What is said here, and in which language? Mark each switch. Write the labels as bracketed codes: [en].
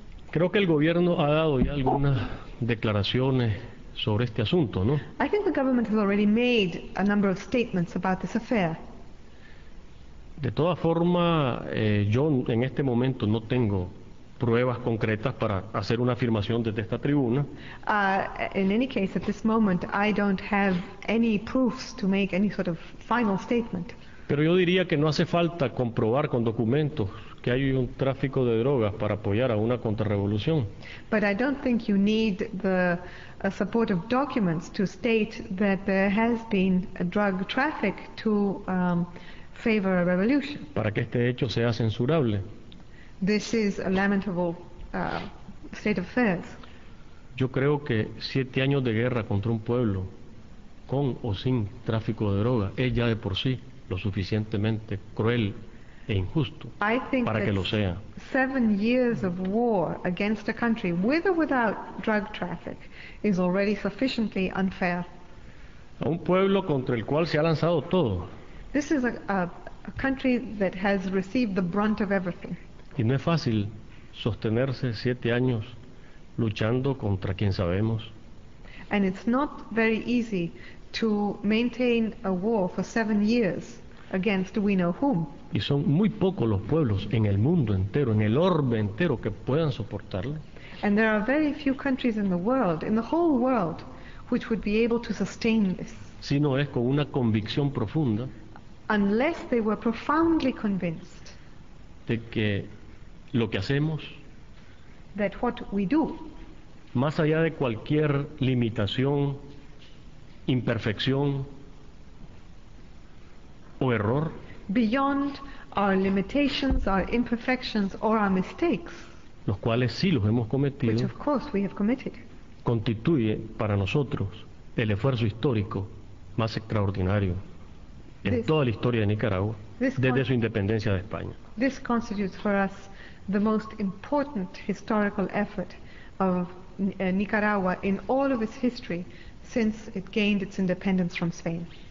[es] Creo que el gobierno ha dado ya algunas declaraciones sobre este asunto, ¿no? [en] I think the government has already made a number of statements about this affair. [es] De todas formas, yo en este momento no tengo pruebas concretas para hacer una afirmación desde esta tribuna. [en] In any case, at this moment, I don't have any proofs to make any sort of final statement. [es] Pero yo diría que no hace falta comprobar con documentos que hay un tráfico de drogas para apoyar a una contrarrevolución. [en] But I don't think you need the support of documents to state that there has been a drug traffic to favor a revolution. [es] Para que este hecho sea censurable. [en] This is a lamentable state of affairs. [es] Yo creo que 7 años de guerra contra un pueblo con o sin tráfico de droga, es ya de por sí lo suficientemente cruel e injusto para que lo sea. [en] 7 years of war against a country with or without drug traffic is already sufficiently unfair. [es] A un pueblo contra el cual se ha lanzado todo. [en] This is a country that has received the brunt of everything. [es] Y no es fácil sostenerse 7 años luchando contra quien sabemos. [en] And it's not very easy to maintain a war for 7 years against we know whom. [es] Y son muy pocos los pueblos en el mundo entero, en el orbe entero, que puedan soportarlo. [en] And there are very few countries in the world, in the whole world, which would be able to sustain this. [es] Si no es con una convicción profunda. [en] Unless they were profoundly convinced. [es] De que lo que hacemos. [en] That what we do. [es] Más allá de cualquier limitación, imperfección o error. [en] Beyond our limitations, our imperfections, or our mistakes. [es] Los cuales sí los hemos cometido. [en] Which of course we have committed. [es] Constituye para nosotros el esfuerzo histórico más extraordinario en toda la historia de Nicaragua desde su independencia de España. [en] This constitutes for us the most important historical effort of Nicaragua in all of its history since it gained its independence from Spain.